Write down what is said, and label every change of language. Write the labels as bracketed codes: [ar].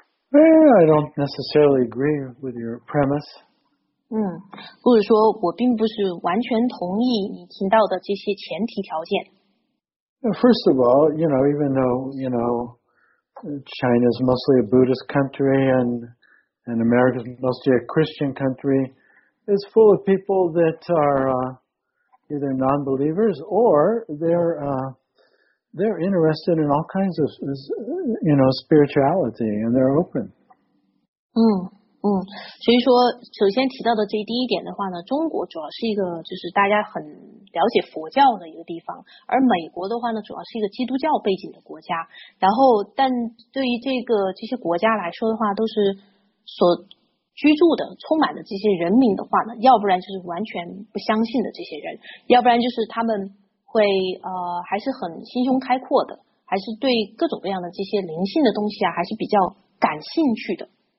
[en] Well, I don't necessarily agree with your premise. [zh] 嗯，或者说我并不是完全同意你提到的这些前提条件。 [en] First of all, even though China is mostly a Buddhist country and America is mostly a Christian country, it's full of people that are either non-believers or they're interested in all kinds of spirituality and they're open. [zh] 所以说首先提到的这第一点的话呢，中国主要是一个就是大家很了解佛教的一个地方，而美国的话呢主要是一个基督教背景的国家，然后但对于这些国家来说的话，都是所居住的充满的这些人民的话呢，要不然就是完全不相信的这些人，要不然就是他们会还是很心胸开阔的，还是对各种各样的这些灵性的东西啊还是比较感兴趣的。